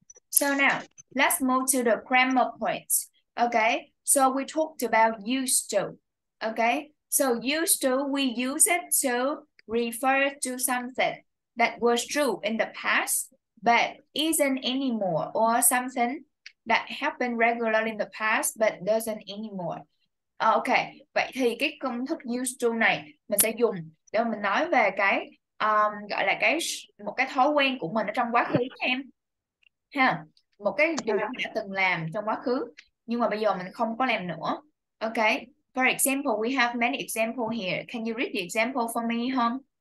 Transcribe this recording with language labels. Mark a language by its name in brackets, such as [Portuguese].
[English] So now, let's move to the grammar points. Okay, so we talked about used to. Okay, so used to, we use it to refer to something that was true in the past, but isn't anymore, or something that happened regularly in the past, but doesn't anymore. [Vietnamese] Ok, vậy thì cái công thức used to này mình sẽ dùng để mình nói về cái gọi là cái một cái thói quen của mình ở trong quá khứ nha em. Ha, một cái điều mình đã từng làm trong quá khứ, nhưng mà bây giờ mình không có làm nữa. [English] Ok, for example, we have many examples here. Can you read the example for me, Hong?